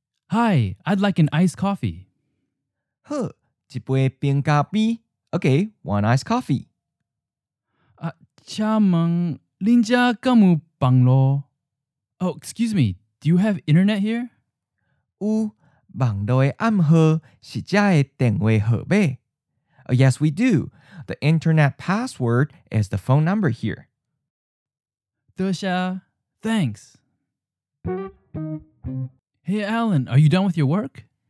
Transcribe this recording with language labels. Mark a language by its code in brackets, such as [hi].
[en] Hi, I'd like an iced coffee. [nan] 好，一杯冰咖啡。 [en] Okay, one iced coffee. [nan] 啊，请问您家敢有网络？ [en] Oh, excuse me, do you have internet here? [nan] 有，网络的暗号是这的电话号码。 [en] Yes, we do. The internet password is the phone number here. [nan] 多谢, [en] thanks. Hey, Alan, are you done with your work?